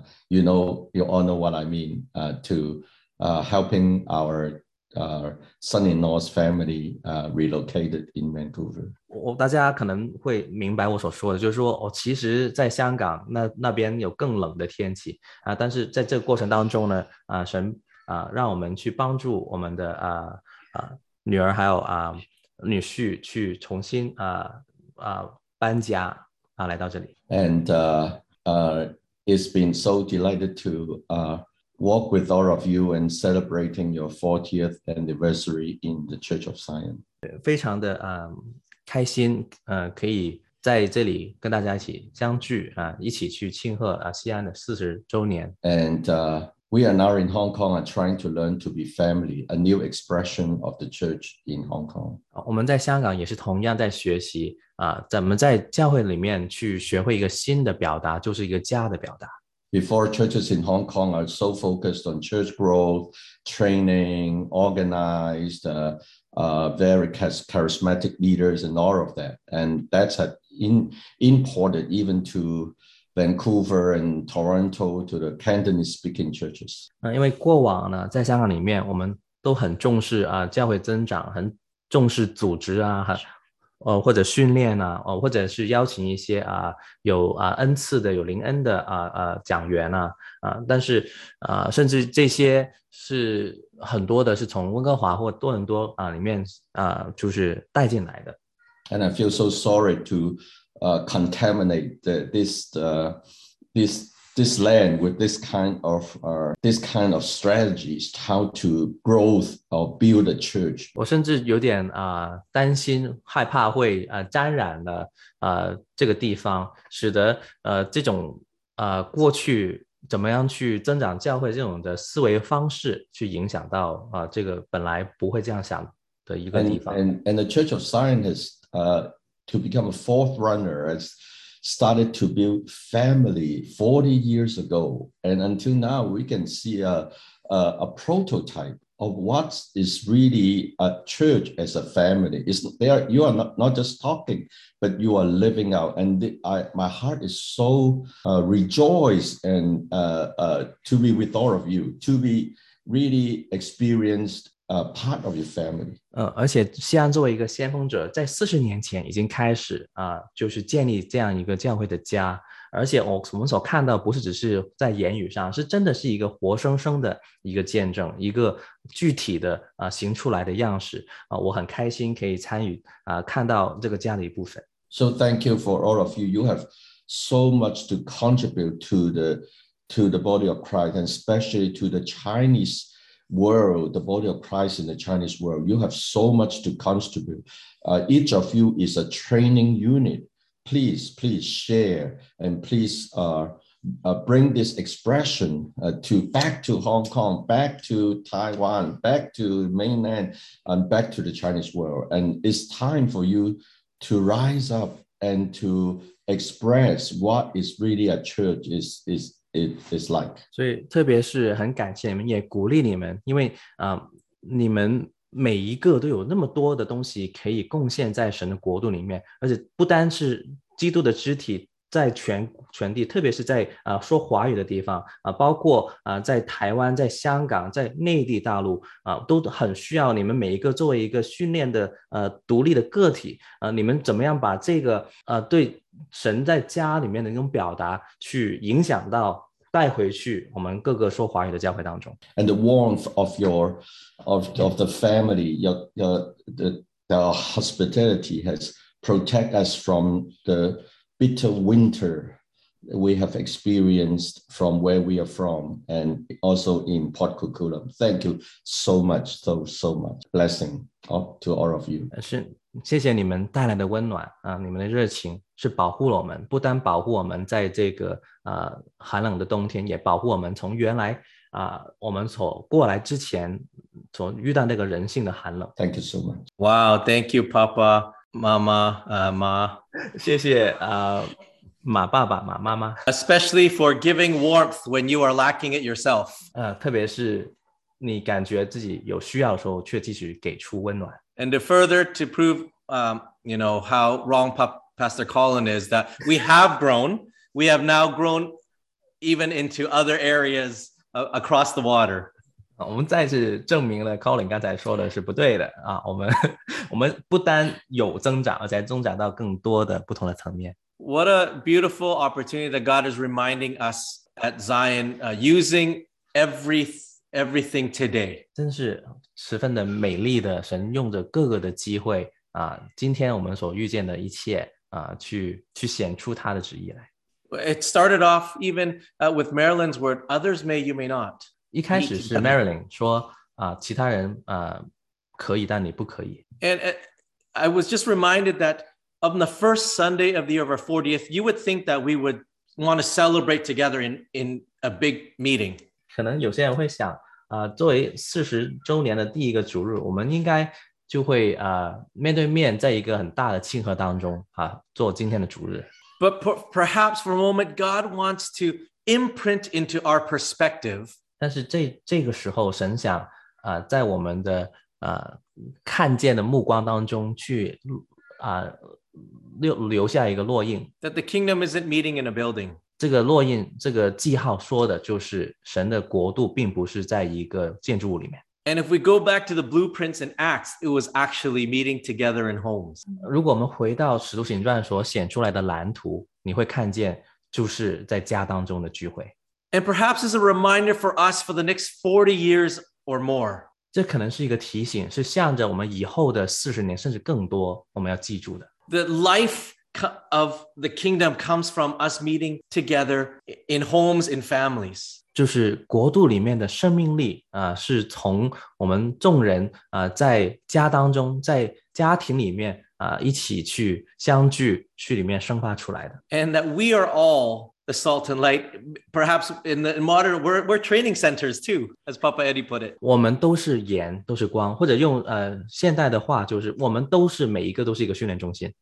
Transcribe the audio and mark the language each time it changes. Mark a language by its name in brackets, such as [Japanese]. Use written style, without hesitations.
[English] You know, you all know what I mean. Helping our son-in-law's family relocated in Vancouver. [Chinese] 大家可能会明白我所说的，就是说我其实在香港那边有更冷的天气但是在这个过程当中呢神让我们去帮助我们的女儿还有女婿去重新搬家来到这里。 [English] And it's been so delighted to walk with all of you and celebrating your 40th anniversary in the Church of Zion. [Chinese] 非常的开心可以在这里跟大家一起相聚一起去庆贺西安的40周年。 [English] And we are now in Hong Kong and trying to learn to be family, a new expression of the church in Hong Kong. [Chinese] 我们在香港也是同样在学习怎么在教会里面去学会一个新的表达，就是一个家的表达。 [English] before churches in Hong Kong are so focused on church growth, training, organized, very charismatic leaders and all of that. And that's imported even to Vancouver and Toronto to the Cantonese-speaking churches. [Chinese] 因为过往呢，在香港里面，我们都很重视啊，教会增长，很重视组织啊，或者训练啊，或者是邀请一些啊有啊恩赐的、有灵恩的啊讲员啊啊，但是啊，甚至这些是很多的，是从温哥华或多伦多啊里面啊就是带进来的。 [English] And I feel so sorry to contaminate this land with this kind of strategies, how to grow or build a church. [Chinese] 我甚至有点担心害怕会沾染了这个地方，使得这种过去怎么样去增长教会这种的思维方式去影响到这个本来不会这样想的一个地方。 [English] And the Church of Scientists, to become a forerunner as started to build family 40 years ago. And until now, we can see a prototype of what is really a church as a family. You are not just talking, but you are living out. And my heart is so rejoiced and to be with all of you, to be really experienced part of your family. [Chinese] 而且西安作为一个先锋者，在40年前已经开始就是建立这样一个教会的家，而且我们所看到不是只是在言语上，是真的是一个活生生的一个见证，一个具体的行出来的样式我很开心可以参与看到这个家的一部分。 [English] So thank you for all of you. You have so much to contribute to the body of Christ, and especially to the Chinese world, the body of Christ in the Chinese world. You have so much to contribute. Each of you is a training unit. Please share, and please bring this expression back to Hong Kong, back to Taiwan, back to mainland, and back to the Chinese world. And it's time for you to rise up and to express what is really a church is like. [Chinese] 所以特别是很感谢你们，也鼓励你们，因为你们每一个都有那么多的东西可以贡献在神的国度里面，而且不单是基督的肢体在全地，特别是在说华语的地方包括在台湾、在香港、在内地大陆都很需要你们每一个作为一个训练的独立的个体你们怎么样把这个对神在家里面的那种表达去影响到带回去我们各个说华语的教会当中。 [English] And the warmth of the family, the hospitality has protect us from the bitter winter we have experienced from where we are from and also in Port Coquitlam. Thank you so much, so much. Blessing to all of you. [Chinese] 是谢谢你们带来的温暖你们的热情是保护了我们，不单保护我们在这个寒冷的冬天，也保护我们从原来我们所过来之前所遇到那个人性的寒冷。 [English] Thank you so much. Wow, thank you, Papa, Mama, Ma. [Chinese] 谢谢马爸爸马妈妈。 [English] Especially for giving warmth when you are lacking it yourself. [Chinese] 特别是你感觉自己有需要的时候却继续给出温暖。 [English] And to further to prove, you know, how wrong Pastor Colin is, that we have grown. We have now grown even into other areas across the water. [Chinese] 我们再次证明了 Colin 刚才说的是不对的我们不单有增长，而且增长到更多的不同的层面。 [English] What a beautiful opportunity that God is reminding us at Zion, using everything today. [Chinese] 真是十分的美丽的，神用着各个的机会今天我们所遇见的一切去显出他的旨意来。 [English] It started off even with Marilyn's word, others may, you may not. [Chinese] 一开始是 Marilyn 说其他人可以，但你不可以。 [English] And I was just reminded that on the first Sunday of the year of our 40th, you would think that we would want to celebrate together in a big meeting. [Chinese] 可能有些人会想作为40周年的第一个主日，我们应该就会面对面在一个很大的庆贺当中做今天的主日。 [English] But perhaps for a moment, God wants to imprint into our perspective. [Chinese] 但是这个时候神想在我们的看见的目光当中去留下一个烙印。 [English] That the kingdom isn't meeting in a building. [Chinese] 这个烙印这个记号说的就是神的国度并不是在一个建筑物里面。 [English] And if we go back to the blueprints in Acts, it was actually meeting together in homes. [Chinese] 如果我们回到《使徒行传》所显出来的蓝图，你会看见就是在家当中的聚会。 [English] And perhaps as a reminder for us for the next 40 years or more. [Chinese] 这可能是一个提醒，是向着我们以后的40年甚至更多我们要记住的。 [English] The life of the kingdom comes from us meeting together in homes, in families. [Chinese] 就是国度里面的生命力是从我们众人在家当中在家庭里面一起去相聚去里面生发出来的。 [English] And that we are all the salt and light, perhaps in the modern, we're training centers too, as Papa Eddie put it. [Chinese] 我们都是盐都是光或者用现代的话就是我们都是每一个都是一个训练中心。